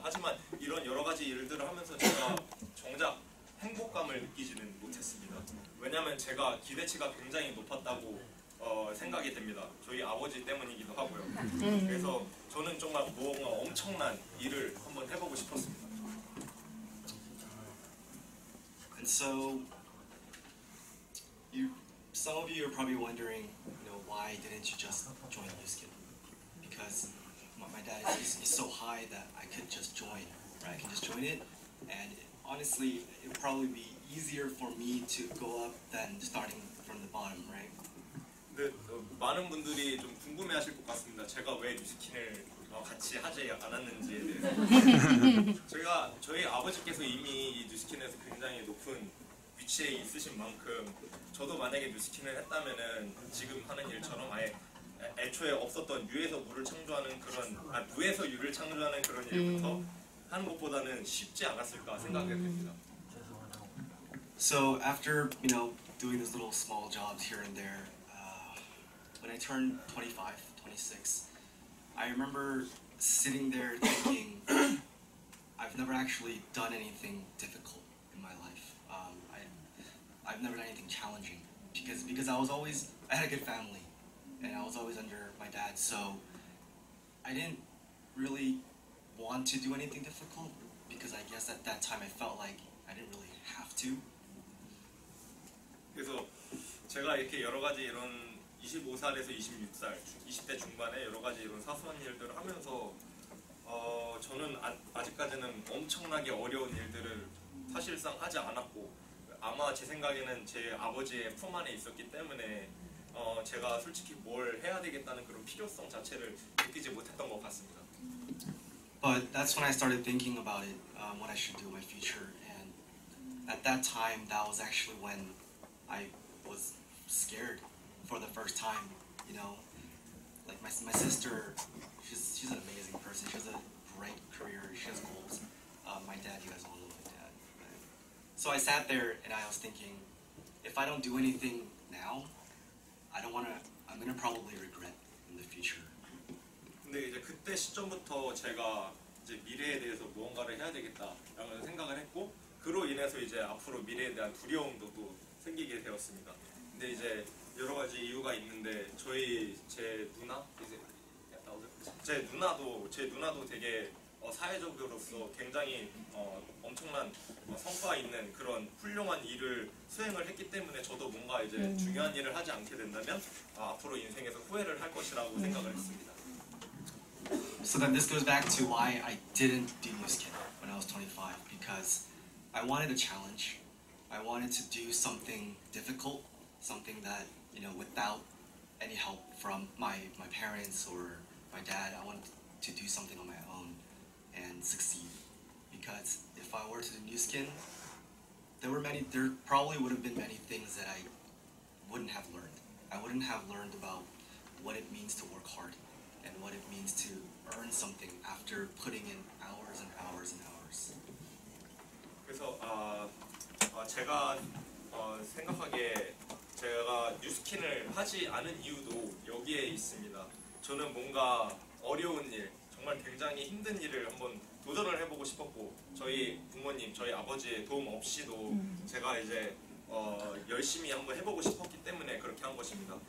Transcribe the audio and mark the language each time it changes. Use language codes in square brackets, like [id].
[ko] 하지만 이런 여러 가지 일들을 하면서 제가 정작 행복감을 느끼지는 못했습니다. 왜냐하면 제가 기대치가 굉장히 높았다고 생각이 됩니다. 저희 아버지 때문이기도 하고요. 그래서 저는 정말 뭔가 엄청난 일을 한번 해보고 싶었습니다. [en] And so some of you are probably wondering, you know, why didn't you just join Youskid? Because my dad is so high that I could just join, right? I can just join it. And honestly, it would probably be easier for me to go up than starting from the bottom, right? [ko] 많은 분들이 좀 궁금해하실 것 같습니다. 제가 왜 뮤지킨을 같이 하지 않았는지에 대해서. 저희 아버지께서 이미 이 뮤지킨에서 굉장히 높은 위치에 있으신 만큼 저도 만약에 뮤지킨을 했다면은 지금 하는 일처럼 아예 애초에 없었던 무에서 유를 창조하는 그런 일부터 하는 것보다는 쉽지 않았을까 생각이 됩니다. [en] So after, you know, doing these little small jobs here and there, when I turned 25, 26, I remember sitting there thinking, I've never actually done anything difficult in my life. I've never done anything challenging because I was always, I had a good family and I was always under my dad. So I didn't really want to do anything difficult because I guess at that time I felt like I didn't really have to. [ko] 그래서 제가 이렇게 여러 가지 이런 25살에서 26살, 20대 중반에 여러 가지 이런 사소한 일들을 하면서 저는 아직까지는 엄청나게 어려운 일들을 사실상 하지 않았고 아마 제 생각에는 제 아버지의 품 안에 있었기 때문에 제가 솔직히 뭘 해야 되겠다는 그런 필요성 자체를 느끼지 못했던 것 같습니다. [en] But that's when I started thinking about it, what I should do in my future. And at that time, that was actually when I was scared for the first time, you know. Like my sister, she's an amazing person. She has a great career. She has goals. My dad, you guys all know my dad. So I sat there and I was thinking, if I don't do anything now, I'm gonna probably regret in the future. [ko] 근데 이제 그때 시점부터 제가 이제 미래에 대해서 무언가를 해야 되겠다라는 생각을 했고, 그로 인해서 이제 앞으로 미래에 대한 두려움도 또 생기게 되었습니다. 근데 이제 여러 가지 이유가 있는데 제 누나도 되게 사회적으로서 굉장히 엄청난 성과 있는 그런 훌륭한 일을 수행을 했기 때문에 저도 뭔가 이제 중요한 일을 하지 않게 된다면 앞으로 인생에서 후회를 할 것이라고 생각을 했습니다. [en] So then this goes back to why I didn't do Youskid when I was 25 because I wanted a challenge. I wanted to do something difficult, something that, you know, without any help from my parents or my dad, I wanted to do something on my own and succeed. Because if I were to do Youskid, there probably would have been many things that I wouldn't have learned. I wouldn't have learned about what it means to work hard and what it means to earn something after putting in hours and hours and hours. [ko] 그래서 제가 생각하기에 제가 뉴스킨을 하지 않은 이유도 여기에 있습니다. 저는 뭔가 어려운 일, 정말 굉장히 힘든 일을 한번 도전을 해보고 싶었고 저희 부모님, 저희 아버지의 도움 없이도 제가 이제 열심히 한번 해보고 싶었기 때문에 그렇게 한 것입니다.